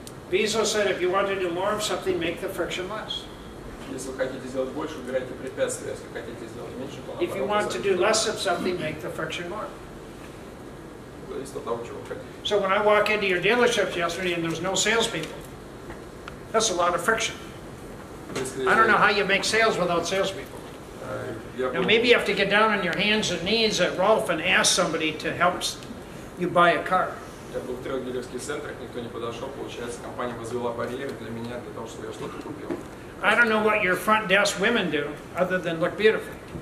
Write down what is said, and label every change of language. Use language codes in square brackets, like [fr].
[en] Bezos said if you want to do more of something, make the friction less. [ru] Если вы хотите сделать больше, убирайте препятствия. Если хотите сделать меньше, то [en] If you want to do less of something, make the friction more. [ru] Зависит от того, чего вы хотите. [en] So when I walk into your dealership yesterday and there's no salespeople, that's a lot of friction. I don't know how you make sales without salespeople. Now maybe you have to get down on your hands and knees at Rolf and ask somebody to help you buy a car. [ru] Я был в трех дилерских центрах, никто не подошел. Получается, компания возвела барьеры для меня, для того, чтобы я что-то купил. [en] I don't know what your front desk women do, other than look beautiful.